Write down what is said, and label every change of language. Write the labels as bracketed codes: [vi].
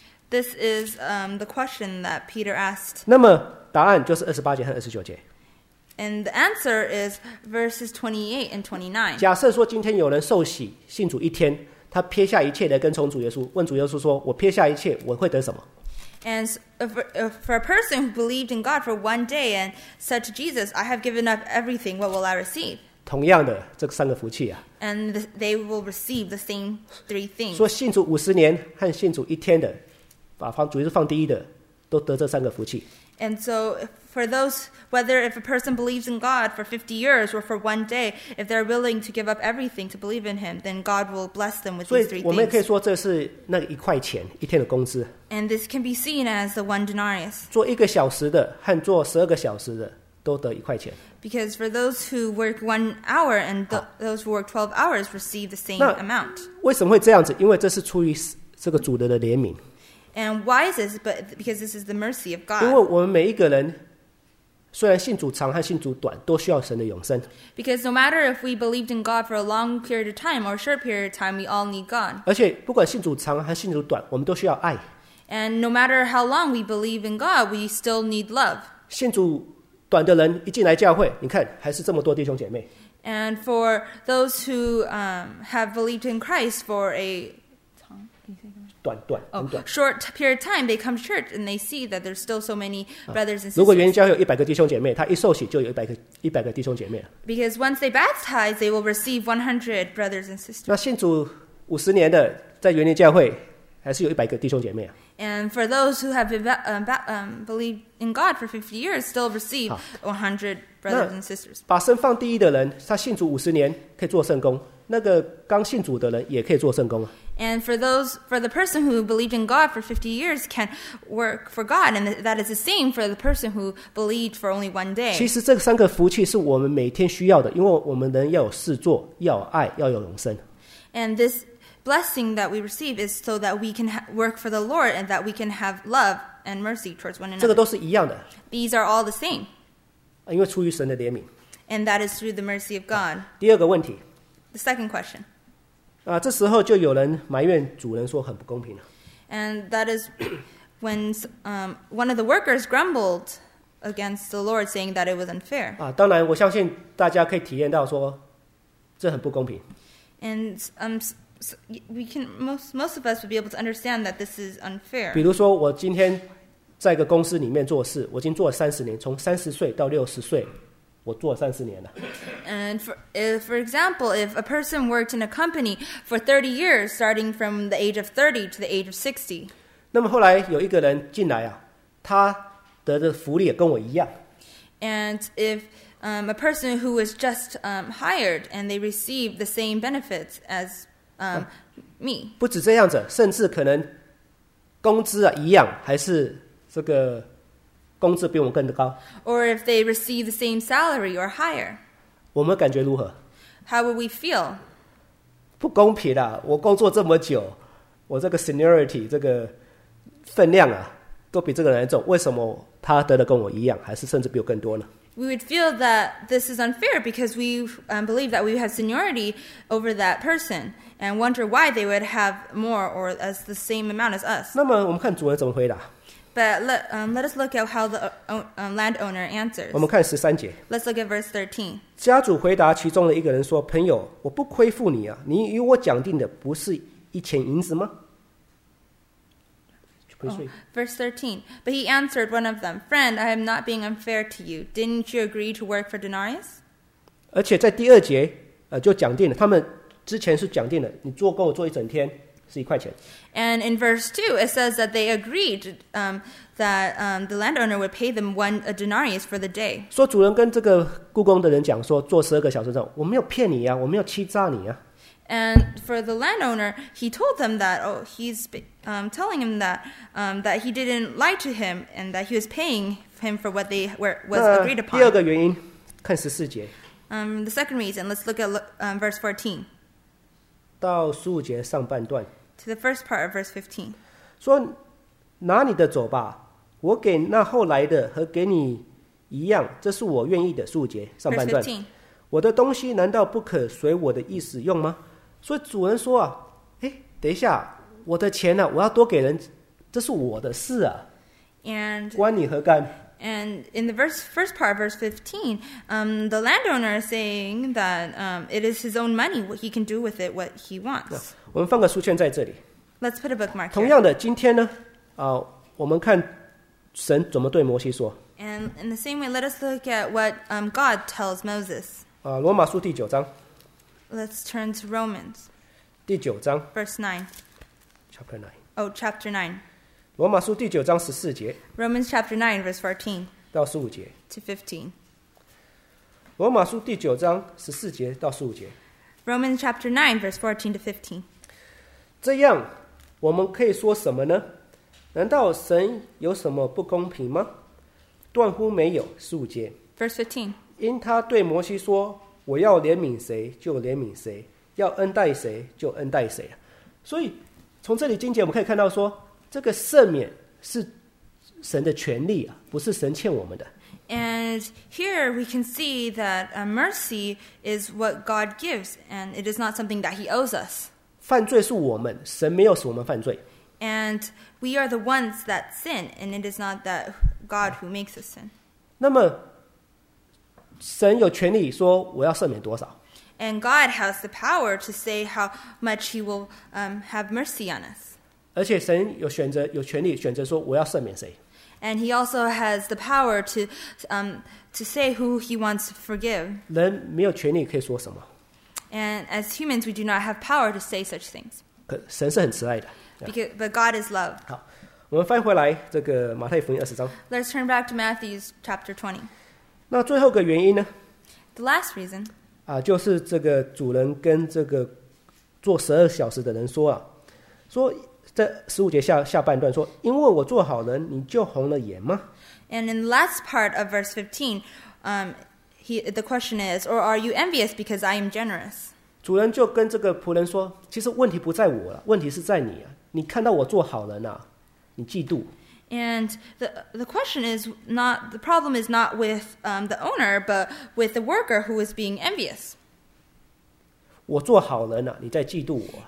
[en] This is the question that Peter asked. [zh] 那么答案就是28节和29节。 [en] And the answer is verses 28 and 29. [zh] 假设说今天有人受洗信主一天，他撇下一切的跟从主耶稣，问主耶稣说，我撇下一切，我会得什么？ [en] And for a person who believed in God for one day and said to Jesus, I have given up everything, what will I receive? [zh] 同样的这三个福气啊。 [en] And they will receive the same three things. [zh] 说信主五十年和信主一天的，把主耶稣放第一的，都得这三个福气。 [en] And so for those, whether if a person believes in God for 50 years or for one day, if they're willing to give up everything to believe in him, then God will bless them with these three things. [zh] 我们也可以说这是那一块钱一天的工资。 [en] And this can be seen as the one denarius. [zh] 做一个小时的和做十二个小时的都得一块钱。 [en] Because for those who work 1 hour and those who work 12 hours receive the same amount. [zh] 为什么会这样子？因为这是出于这个主人的怜悯。 [en] And why is this? But because this is the mercy of God. [zh] 因为我们每一个人虽然信主长和信主短都需要神的永生。 [en] Because no matter if we believed in God for a long period of time or a short period of time, we all need God. [zh] 而且不管信主长和信主短，我们都需要爱。 [en] And no matter how long we believe in God, we still need love. [zh] 信主短的人一进来教会，你看还是这么多弟兄姐妹。 [en] And for those who have believed in Christ for a [zh] 短很短 [en] short period of time, they come to church and they see that there's still so many brothers and sisters. [zh] 如果原教会有一百个弟兄姐妹，他一受洗就有一百个弟兄姐妹了。 [en] Because once they baptize, they will receive 100 brothers and sisters. [zh] 那信主五十年的在原教会。还是有一百个弟兄姐妹啊。 [en] And for those who have believed in God for 50 years, still receive 100 brothers and sisters. [zh] 把身放第一的人，他信主50年可以做圣工，那个刚信主的人也可以做圣工啊。 [en] And for the person who believed in God for 50 years can work for God, and that is the same for the person who believed for only one day. [zh] 其实这三个福气是我们每天需要的，因为我们人要有事做，要有爱，要有永生。 [en] And this blessing that we receive is so that we can work for the Lord and that we can have love and mercy towards one another. [zh] 这个都是一样的。 [en] These are all the same. [zh] 因为出于神的怜悯。 [en] And that is through the mercy of God. [zh] 第二个问题。 [en] The second question. [zh] 这时候就有人埋怨主人说很不公平了。 [en] And that is when one of the workers grumbled against the Lord, saying that it was unfair. [zh] 当然，我相信大家可以体验到说这很不公平。 [en] And we can most of us would be able to understand that this is unfair. [zh] 比如说，我今天在一个公司里面做事，我已经做了三十年，从三十岁到六十岁。我做三十年了。 [en] And for example, if a person worked in a company for 30 years, starting from the age of 30 to the age of 60. [zh] 那么后来有一个人进来啊，他得的福利也跟我一样。 [en] And if a person who was just hired and they received the same benefits as me. [zh] 不止这样子，甚至可能工资啊一样，还是这个。工资比我们更高。 [en] Or if they receive the same salary or higher. [zh] 我们感觉如何？ [en] How would we feel? [zh] 不公平啊，我工作这么久，我这个 seniority 这个分量啊，都比这个人重，为什么他得的跟我一样，还是甚至比我更多呢？ [en] We would feel that this is unfair because we believe that we have seniority over that person and wonder why they would have more or as the same amount as us. [zh] 那么我们看主人怎么回答。 [en] But let us look at how the landowner answers. [zh] 我们看十三节。 [en] Let's look at verse 13. [zh] 家主回答其中的一个人说：“朋友，我不亏负你啊！你与我讲定的不是一钱银子吗？” [en] Verse 13. But he answered one of them, "Friend, I am not being unfair to you. Didn't you agree to work for denarius?" [zh] 而且在第二节，就讲定了，他们之前是讲定的，你做跟我做一整天。 [en] And in verse 2, it says that they agreed that the landowner would pay them one a denarius for the day. [zh] 说主人跟这个雇工的人讲说做十二个小时之后，我没有骗你啊，我没有欺诈你啊。 [en] And for the landowner, he told them that, he's telling him that, that he didn't lie to him and that he was paying him for what they were, was agreed upon. [zh] 第二个原因，看十四节。 [en] The second reason, let's look at verse 14. [zh] 到十五节上半段 [en] to the first part of verse 15 [zh] 说拿你的走吧我给那后来的和给你一样这是我愿意的十五节上半段 [en] verse [zh] 15我的东西难道不可随我的意思用吗所以主人说啊等一下我的钱啊我要多给人这是我的事啊 [en] and, [zh] 关你何干 [en] and in the first part of verse 15 the landowner is saying that it is his own money what he can do with it what he wants [zh] 我们放个书签在这里 [en] let's put a bookmark here [zh] 同样的今天呢我们看神怎么对摩西说 [en] and in the same way let us look at what God tells Moses [zh] 罗马书第九章 [en] let's turn to Romans [zh] 第九章 [en] verse 9 chapter 9 chapter 9 [zh] 罗马书第九章十四节 [en] Romans chapter 9 verse 14 [zh] 到十五节 [en] to 15 [zh] 罗马书第九章十四节到十五节 [en] Romans chapter 9 verse 14 to 15 [zh] 这样我们可以说什么呢难道神有什么不公平吗断乎没有十五节 [en] verse 15 [zh] 因他对摩西说我要怜悯谁就怜悯谁要恩待谁就恩待谁所以从这里经节我们可以看到说这个赦免是神的权利啊，不是神欠我们的。 [en] And here we can see that mercy is what God gives, and it is not something that He owes us. [zh] 犯罪是我们，神没有使我们犯罪。 [en] And we are the ones that sin, and it is not that God who makes us sin. [zh] 那么，神有权利说我要赦免多少。 [en] And God has the power to say how much He will have mercy on us. [zh] 而且神有选择，有权利选择说我要赦免谁。 [en] And he also has the power to say who he wants to forgive. [zh] 人没有权利可以说什么。 [en] And as humans, we do not have power to say such things. [zh] 可神是很慈爱的。 [en] Because, but God is love. [zh] 好，我们翻回来这个马太福音二十章。 [en] Let's turn back to Matthew's chapter 20. [zh] 那最后个原因呢？ [en] The last reason. [zh] 啊，就是这个主人跟这个做十二小时的人说啊，说在十五节 下半段说，因为我做好人，你就红了眼吗？ [en] And in the last part of verse 15, the question is, or are you envious because I am generous? [zh] 主人就跟这个仆人说，其实问题不在我了，问题是在你啊，你看到我做好人啊，你嫉妒。 [en] And the question is not, the problem is not with the owner, but with the worker who is being envious. [zh] 我做好人啊，你在嫉妒我。